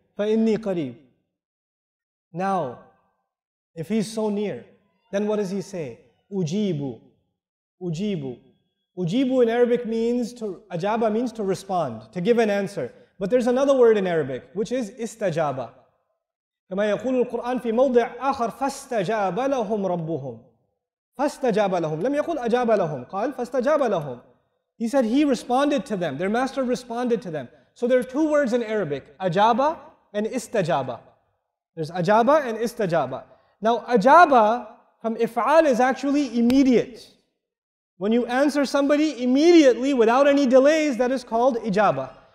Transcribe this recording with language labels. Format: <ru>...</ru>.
<ar>فَإِنِّي قَرِيبٌ.</ar> <en>Now, if He's so near, then what does He say? Ujibu. Ujibu. Ujibu in Arabic means to, ajaba means to respond, to give an answer. But there's another word in Arabic, which is istajaba.</en> <ar>كما يقول القرآن في موضع آخر فاستجاب لهم ربهم فاستجاب لهم لم يقول أجاب لهم قال فاستجاب لهم.</ar> <en>He said he responded to them, their master responded to them. So there are two words in Arabic, أجابة and استجابة. There's أجابة and استجابة. Now أجابة from إفعال is actually immediate. When you answer somebody immediately without any delays, that is called إجابة.</en>